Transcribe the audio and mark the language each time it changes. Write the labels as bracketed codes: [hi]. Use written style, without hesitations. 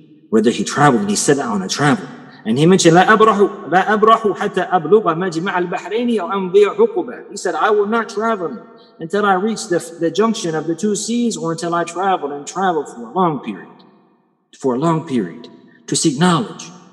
[en] Whether he traveled, and he set out on a travel. And he mentioned, [ar] لا أبرحوا حتى أبلغ مجمع البحرين أو أمضي عقبة. [en] He said, I will not travel until I reach the junction of the two seas, or until I travel and travel for a long period, to seek knowledge.